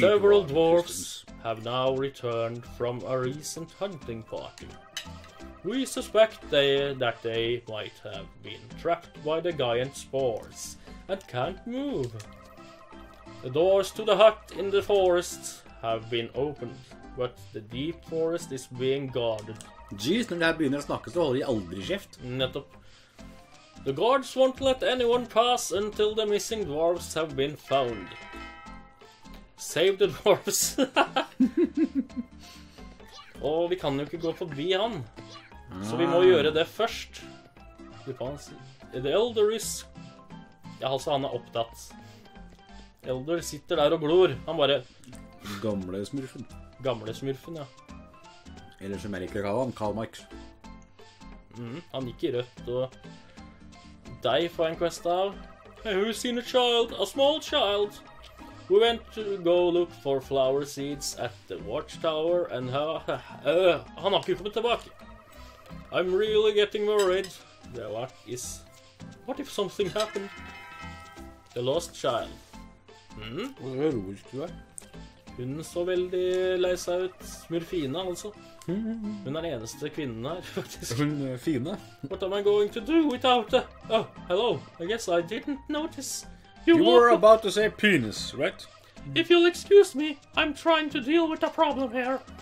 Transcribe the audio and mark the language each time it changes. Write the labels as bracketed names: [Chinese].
[English] Several dwarfs existence. Have now returned from a recent hunting party. We suspect that they might have been trapped by the giant spores and can't move. The doors to the hut in the forest have been opened, but the deep forest is being guarded. [Norwegian] Jeez, når det her begynner å snakke, så holder de aldri kjeft. Nettopp. [English] The guards won't let anyone pass until the missing dwarves have been found. Save the dwarves. [Norwegian] Åh, vi kan jo ikke gå forbi han. Så vi må gjøre det først. Du kan si... [English] The Elder is... [Norwegian] Ja, altså han opptatt. Elder sitter der og glor. Han bare... Gamle smurfen. Gamle smurfen, ja. Eller som jeg liker å kalle han, Karl Marx. Han gikk I rødt, og... Dei får en quest av. [English] Hey, who's seen a child? A small child! We went to go look for flower seeds at the watchtower, and... [Norwegian] han har ikke kommet tilbake. [English] I'm really getting worried. What if something happened? The lost child. [Norwegian] Hva så heroisk du Hun så veldig lei seg ut. Smurfina, altså. Hun den eneste kvinnen her, faktisk. Hun fine. [English] What am I going to do without her? Oh, hello. I guess I didn't notice. You were about to say penis, right? If you'll excuse me, I'm trying to deal with a problem here.